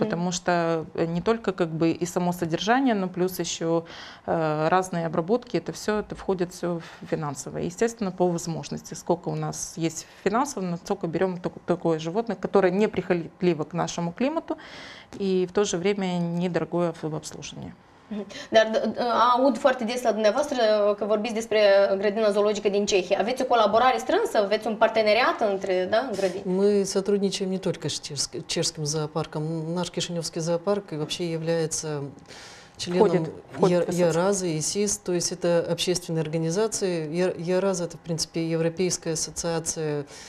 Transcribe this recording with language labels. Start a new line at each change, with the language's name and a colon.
Russian: Потому что не только как бы и само содержание, но плюс еще разные обработки. Это входит все в финансовое. Естественно, по возможности. Сколько у нас есть финансов, настолько берем такое животное, которое не прихотливо к нашему климату. И в то же время недорогое в обслуживании.
Romanian: Dar aud foarte des la dumneavoastră că vorbiți despre grădina zoologică din Cehia. Aveți o colaborare strânsă? Aveți un parteneriat între, da, grădini?
Russian: Мы сотрудничаем не только с чешским зоопарком. Наш Кишиневский зоопарк вообще является членом ЕРАЗа и СИС, то есть это общественные организации. ЕРАЗ это, в принципе, Европейская ассоциация.